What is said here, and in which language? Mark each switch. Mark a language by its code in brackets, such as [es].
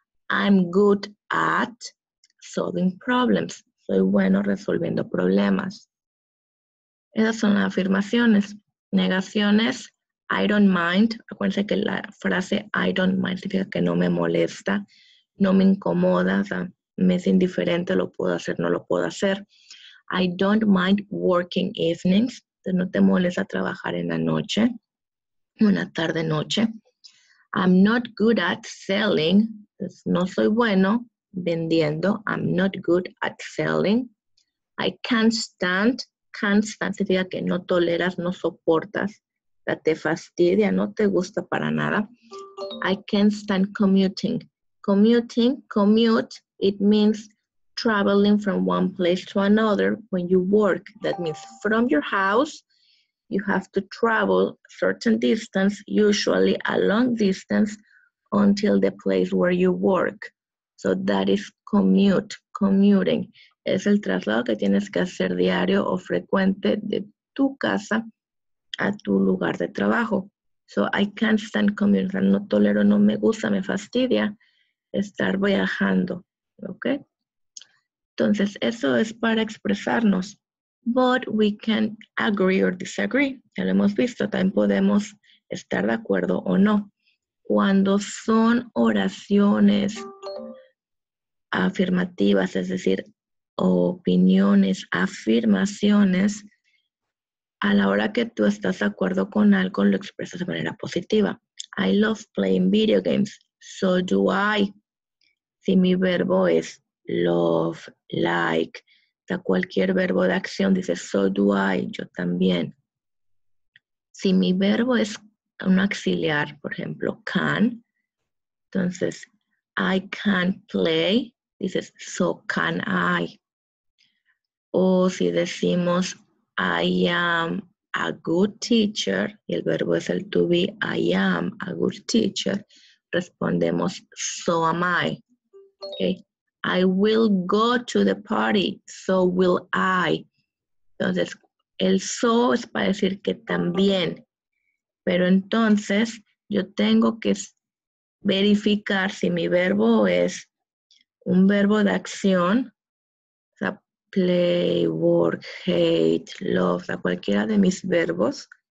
[en] I'm good at solving problems, [es] soy bueno resolviendo problemas. Esas son afirmaciones. Negaciones, [en] I don't mind. [es] Acuérdense que la frase [en] I don't mind [es] significa que no me molesta, no me incomoda. O sea, me es indiferente, lo puedo hacer, no lo puedo hacer. [en] I don't mind working evenings. [es] No te molesta trabajar en la noche, una tarde noche. [en] I'm not good at selling. [es] No soy bueno vendiendo. [en] I'm not good at selling. I can't stand. Can't stand [es] significa que no toleras, no soportas, que te fastidia, no te gusta para nada. [en] I can't stand commuting. Commuting, commute, it means traveling from one place to another when you work. That means from your house, you have to travel certain distance, usually a long distance, until the place where you work. So that is commute, commuting. [es] Es el traslado que tienes que hacer diario o frecuente de tu casa a tu lugar de trabajo. [en] So I can't stand commuting. [es] No tolero, no me gusta, me fastidia estar viajando. Okay? Entonces, eso es para expresarnos. [en] But we can agree or disagree. [es] Ya lo hemos visto, también podemos estar de acuerdo o no. Cuando son oraciones afirmativas, es decir, opiniones, afirmaciones, a la hora que tú estás de acuerdo con algo, lo expresas de manera positiva. [en] I love playing video games. So do I. [es] Si mi verbo es love, like, da cualquier verbo de acción, dice [en] so do I, [es] yo también. Si mi verbo es un auxiliar, por ejemplo, can, entonces [en] I can play, [es] dices [en] so can I. [es] O si decimos [en] I am a good teacher, [es] y el verbo es el [en] to be, I am a good teacher, [es] respondemos [en] so am I. Okay. I will go to the party, so will I. [es] Entonces, el so es para decir que también. Pero entonces, yo tengo que verificar si mi verbo es un verbo de acción. O sea, play, work, hate, love, o sea, cualquiera de mis verbos.